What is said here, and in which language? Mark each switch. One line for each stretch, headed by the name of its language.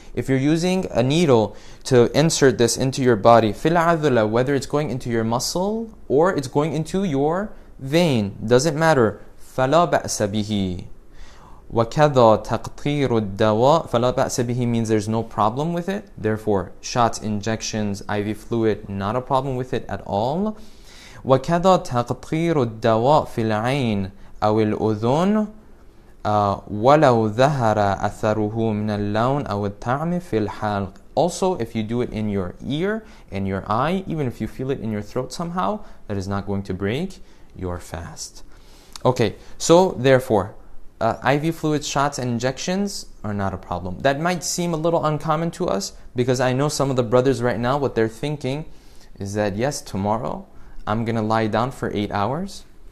English: If you're using a needle to insert this into your body,
Arabic: فِي الْعَذُلَةِ,
English: whether it's going into your muscle or it's going into your vein, doesn't matter.
Arabic: فلا بأس به. وكذا تقطير الدواء. فلا بأس به
English: means there's no problem with it. Therefore, shots, injections, IV fluid, not a problem with it at all.
Arabic: وكذا تقطير الدواء في العين أو الأذن. ولو ظهر أثره من اللون أو الطعم في الحلق.
English: Also, if you do it in your ear, in your eye, even if you feel it in your throat somehow, that is not going to break your fast. Okay, so therefore, IV fluid shots and injections are not a problem. That might seem a little uncommon to us, because I know some of the brothers right now, what they're thinking is that, yes, tomorrow I'm going to lie down for 8 hours.